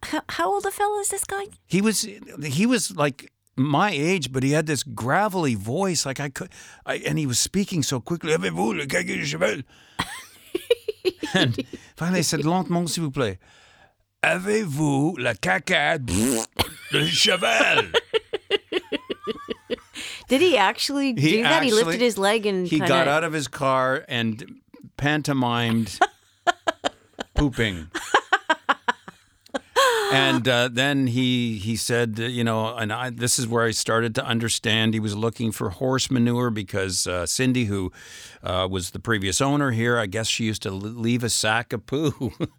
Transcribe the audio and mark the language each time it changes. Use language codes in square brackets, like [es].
[en] How old a fellow is this guy? He was like my age, but he had this gravelly voice. Like and he was speaking so quickly. [fr] Avez-vous le quelque cheval? [en] And finally, I said, [fr] lentement, s'il vous plaît. Avez-vous la caca de cheval? [en] Did he actually do that? He lifted his leg and he got out of his car and pantomimed pooping. And then he said, you know, and this is where I started to understand he was looking for horse manure because Cindy, who was the previous owner here, I guess she used to leave a sack of poo.